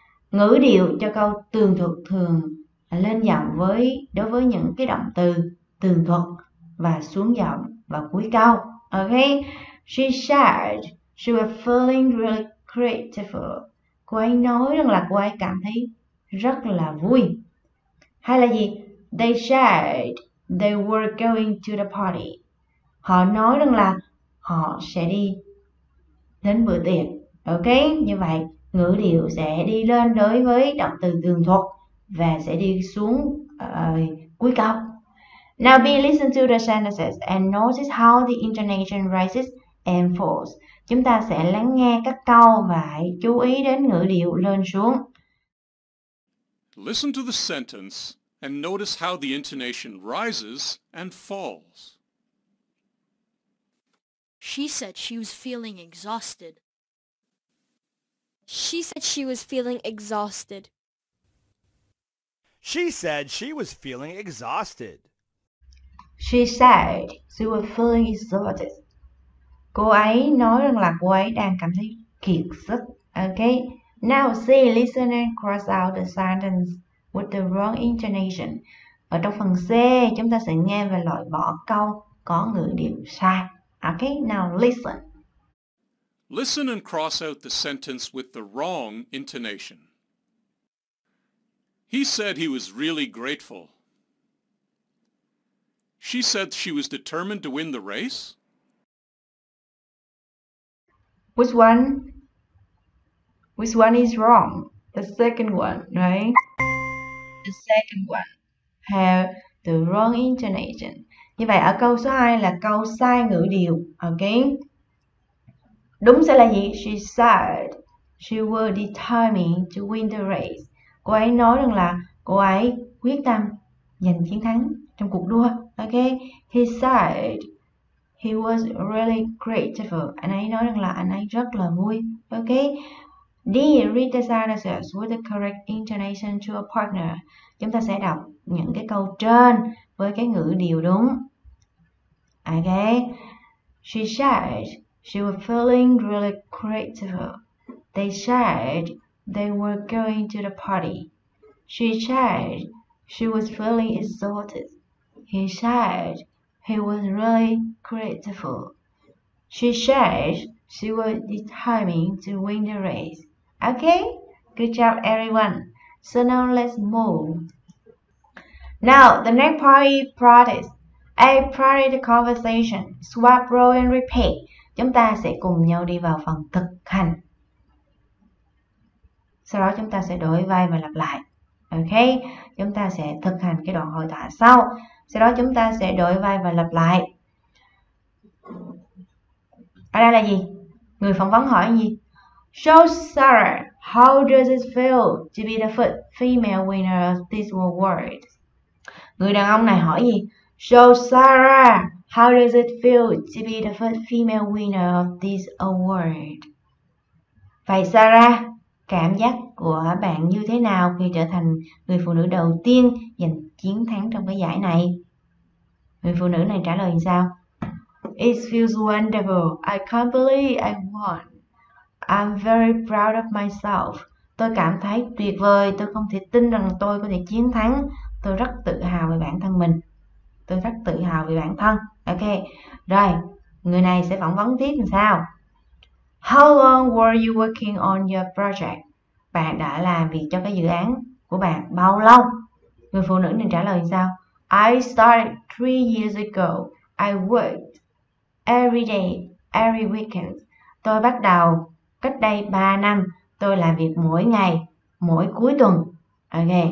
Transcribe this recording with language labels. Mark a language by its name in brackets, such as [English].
[Vietnamese] Ngữ điệu cho câu tường thuật thường lên giọng với đối với những cái động từ tường thuật và xuống giọng vào cuối câu. [English] Ok, she said she was feeling really grateful. [Vietnamese] Cô ấy nói rằng là cô ấy cảm thấy rất là vui. Hay là gì? [English] They said they were going to the party. [Vietnamese] Họ nói rằng là họ sẽ đi đến bữa tiệc. Ok, như vậy ngữ điệu sẽ đi lên đối với động từ tường thuật và sẽ đi xuống cuối câu. [English] Now be listen to the sentences and notice how the intonation rises and falls. [Vietnamese] Chúng ta sẽ lắng nghe các câu và hãy chú ý đến ngữ điệu lên xuống. [English] Listen to the sentence and notice how the intonation rises and falls. She said she was feeling exhausted. She said she was feeling exhausted. She said she was feeling exhausted. She said she was feeling exhausted. [Vietnamese] Cô ấy nói rằng là cô ấy đang cảm thấy kiệt sức. [English] Okay. Now see, listen and cross out the sentence with the wrong intonation. [Vietnamese] Ở trong phần C, chúng ta sẽ nghe và loại bỏ câu có ngữ điệu sai. [English] Okay, now listen. Listen and cross out the sentence with the wrong intonation. He said he was really grateful. She said she was determined to win the race. Which one is wrong? The second one, right? The second one have the wrong intonation. [Vietnamese] Như vậy ở câu số 2 là câu sai ngữ điệu. Okay. Đúng sẽ là gì? [English] She said she was determined to win the race. [Vietnamese] Cô ấy nói rằng là cô ấy quyết tâm giành chiến thắng trong cuộc đua. Okay. [English] He said he was really grateful. [Vietnamese] Anh ấy nói rằng là anh ấy rất là vui. [English] Okay. D. Read the sentences with the correct intonation to a partner. [Vietnamese] Chúng ta sẽ đọc những cái câu trên với cái ngữ điệu đúng. [English] Okay. She said she was feeling really grateful. They said they were going to the party. She said she was feeling exalted. He said he was really grateful. She said she was determined to win the race. Okay, good job everyone. So now let's move. Now, the next part is practice. A practice conversation. Swap, roll and repeat. [Vietnamese] Chúng ta sẽ cùng nhau đi vào phần thực hành. Sau đó chúng ta sẽ đổi vai và lặp lại. Okay, chúng ta sẽ thực hành cái đoạn hội thoại sau. Sau đó chúng ta sẽ đổi vai và lặp lại. Ở đây là gì? Người phỏng vấn hỏi gì? [English] So Sarah, how does it feel to be the first female winner of this award? [Vietnamese] Người đàn ông này hỏi gì? [English] So Sarah, how does it feel to be the first female winner of this award? [Vietnamese] Vậy Sarah, cảm giác của bạn như thế nào khi trở thành người phụ nữ đầu tiên giành chiến thắng trong cái giải này? Người phụ nữ này trả lời sao? [English] It feels wonderful. I can't believe I won. I'm very proud of myself. [Vietnamese] Tôi cảm thấy tuyệt vời. Tôi không thể tin rằng tôi có thể chiến thắng. Tôi rất tự hào về bản thân mình. Tôi rất tự hào về bản thân. Ok. Rồi, người này sẽ phỏng vấn tiếp làm sao? [English] How long were you working on your project? [Vietnamese] Bạn đã làm việc cho cái dự án của bạn bao lâu? Người phụ nữ này trả lời sao? [English] I started 3 years ago. I worked every day, every weekend. [Vietnamese] Tôi bắt đầu cách đây 3 năm. Tôi làm việc mỗi ngày, mỗi cuối tuần. Ok.